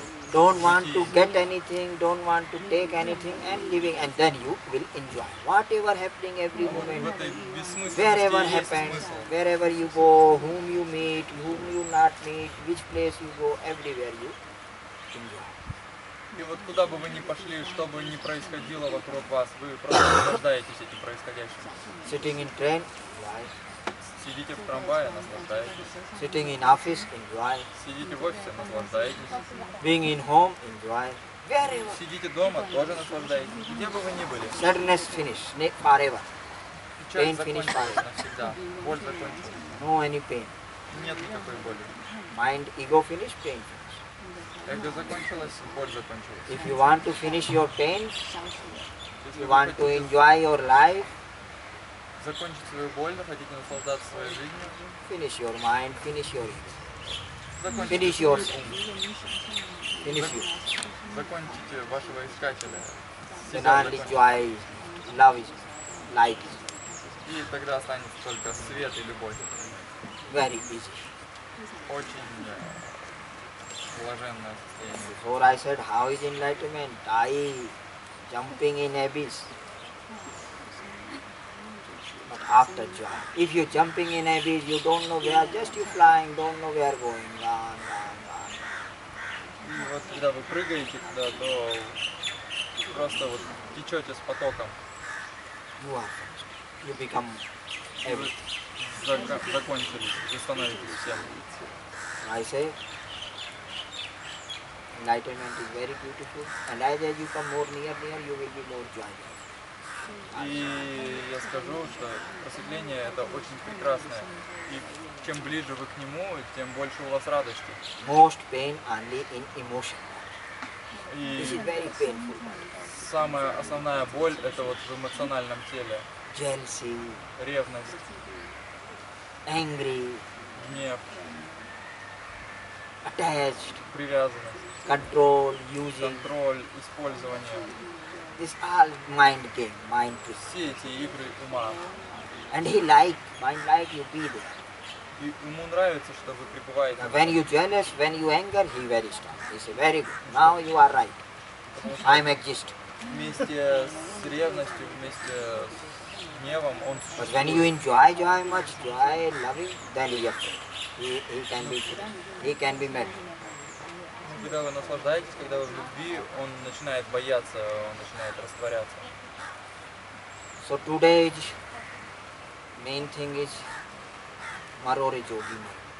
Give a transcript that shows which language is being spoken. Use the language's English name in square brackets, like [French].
[English] Don't want to get anything, don't want to take anything and living. And then you will enjoy. Whatever happening every moment, wherever happens, wherever you go, whom you meet, whom you not meet, which place you go, everywhere you enjoy. [Russian] И вот куда бы вы ни пошли, что бы ни происходило вокруг вас, вы просто наслаждаетесь этим происходящим. [English] Sitting in train, enjoy. [Russian] Сидите в трамвае, наслаждаетесь. [English] Sitting in office, enjoy. [Russian] Сидите в офисе, наслаждаетесь. [English] Being in home, enjoy. Wherever. [Russian] Сидите дома, тоже наслаждаетесь. Где бы вы ни были. [English] Sadness finish, forever. Pain finish forever. [Russian] Навсегда. Боль закончилась. [English] No any pain. [Russian] Нет никакой боли. [English] Mind, ego finish, pain. [Russian] Эго закончилось, боль закончилась. [English] If you want to finish your pain, you want to enjoy your life, [Russian] закончить свою боль, хотите наслаждаться своей жизнью, [English] finish your mind, finish your ego, finish yourself, finish you. [Russian] Закончите вашего искателя, [English] the knowledge why love is light. [Russian] И тогда останется только свет и любовь. [English] Very easy. [Russian] Очень блаженное состояние. [English] Before I said how is enlightenment, I jumping in abyss. After joy. If you're jumping in abyss, you don't know where, just you flying, don't know where going. La, la, la, la. [Russian] Вот когда вы прыгаете туда, то просто вот течете с потоком. [English] You are finished. You become everything. [Russian] Закончились, вы становитесь всем. [English] I say, enlightenment is very beautiful. And as you come more near, near, you will be more joyful. [Russian] И я скажу, что просветление это очень прекрасное. И чем ближе вы к нему, тем больше у вас радости. [English] Most pain only in emotion. [Russian] И [English] very painful. [Russian] Самая основная боль это вот в эмоциональном теле. [English] Jealousy. [Russian] Ревность. [English] Angry. [Russian] Гнев. [English] Attached. [Russian] Привязанность. [English] Control, using. [Russian] Контроль, использование. [English] This all mind game, mind trick. [Russian] Все эти игры ума. [English] And he like, mind like you be there. [Russian] И ему нравится, что вы пребываете. [English] When you jealous, when you anger, he very strong. He say, very good. Now you are right. I'm exist. [Russian] Вместе с ревностью, вместе с гневом он существует. [English] But when you enjoy joy much, joy loving, then he afraid. He can be good. He can be mad. [Russian] Когда вы наслаждаетесь, когда вы в любви, он начинает бояться, он начинает растворяться. [English] So today main thing is Marori Jogi Mind.